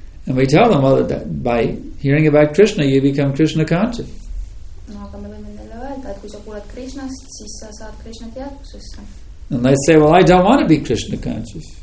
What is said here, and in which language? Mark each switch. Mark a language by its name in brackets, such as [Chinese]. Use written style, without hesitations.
[English] And we tell them all that by hearing about Krishna, you become Krishna conscious. [Estonian] No, aga me võime neile öelda, et kui sa kuulad Krishnast, siis sa saad Krishna teadvusesse. [English] And they say, well, I don't want to be Krishna conscious.